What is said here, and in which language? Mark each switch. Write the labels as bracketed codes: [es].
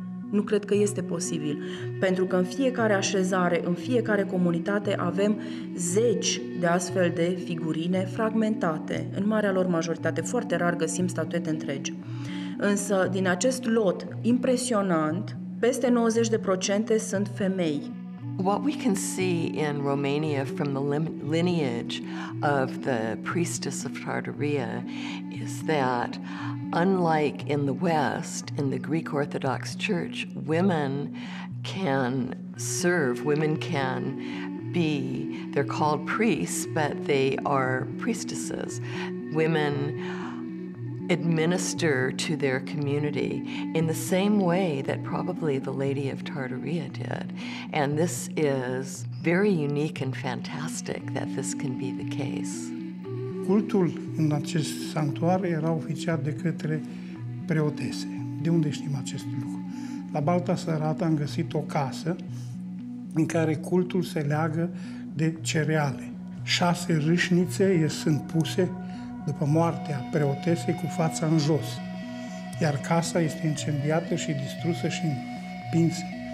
[ro] Nu cred că este posibil, pentru că în fiecare așezare, în fiecare comunitate, avem zeci de astfel de figurine fragmentate. În marea lor majoritate, foarte rar găsim statuete întregi. Însă, din acest lot impresionant, peste 90% sunt femei. [en] What we can see in Romania from the lineage of the priestess of Tartaria is that, unlike in the West, in the Greek Orthodox Church, women can serve, women can be, they're called priests, but they are priestesses. Women administer to their community in the same way that probably the Lady of Tartaria did. And this is very unique and fantastic that this can be the case. [ro] Cultul în acest sanctuar era oficiat de către preotese, De unde știm acest lucru? La Baltasarat am găsit o casă în care cultul se leagă de cereale. 6 râșnițe sunt puse după moartea preotesei cu fața în jos, iar casa este incendiată și distrusă și împinsă.